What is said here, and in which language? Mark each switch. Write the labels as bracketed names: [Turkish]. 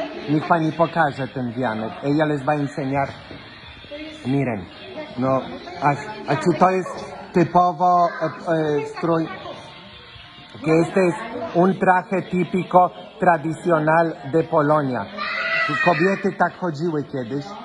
[Polish] Niech pani pokaże ten wianek. [Spanish] Ella les va a enseñar. Miren, no, [Polish] a czy to jest typowo strój, [Spanish] que este es un traje típico tradicional de Polonia. [Polish] Kobiety tak chodziły kiedyś.